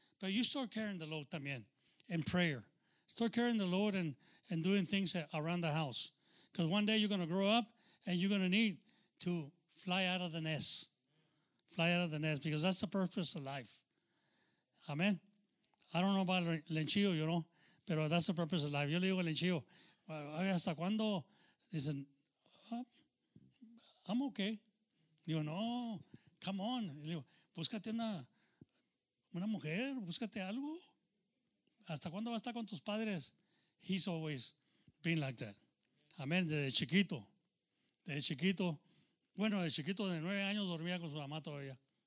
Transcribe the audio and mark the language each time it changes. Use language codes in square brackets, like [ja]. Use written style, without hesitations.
[en] But you start carrying the load [es] también [en] in prayer. Start carrying the load and doing things around the house. Because one day you're going to grow up and you're going to need to fly out of the nest. Fly out of the nest, because that's the purpose of life. Amen. I don't know about Lenchillo, you know, [es] pero [en] that's the purpose of life. [es] Yo le digo a Lenchillo, ¿hasta cuándo? Dicen, [en] I'm okay. [es] Digo, no, [en] come on. [es] Digo, búscate una mujer, búscate algo. ¿Hasta cuándo va a estar con tus padres? [en] He's always been like that. [es] Amén. Desde chiquito. Bueno, desde chiquito, de 9 años, dormía con su mamá todavía.